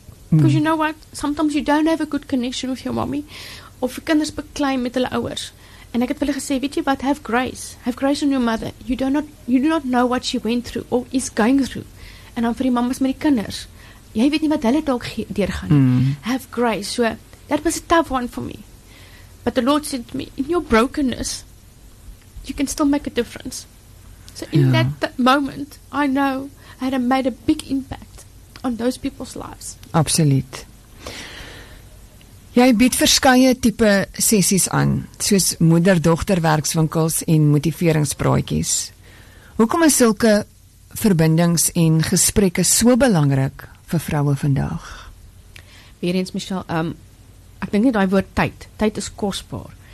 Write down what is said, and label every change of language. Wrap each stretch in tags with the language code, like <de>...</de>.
<en>Because you know what, sometimes you don't have a good connection with your mommy, of your</en> <af>kinders beklei met hulle ouers. En ek het hulle gesê, weet jy wat,</af> <en>have grace. Have grace on your mother. You do not know what she went through, or is going through.</en> <af>En dan vir die mamas met die kinders, jy weet nie wat hulle dalk deurgaan.</af> <en>Have grace. So, that was a tough one for me. But the Lord said to me, in your brokenness, you can still make a difference. So in that moment, I know I had made a big impact on those people's lives.</en> <af>Absoluut. Jy bied verskeie type sessies aan, soos moeder-dogterwerkswinkels en motiveringspraatjies. Hoekom is sulke verbindings en gesprekke so belangrik vir vroue vandag? Weer eens, Michelle, ek dink nie die woord tyd. Tyd is kostbaar.</af>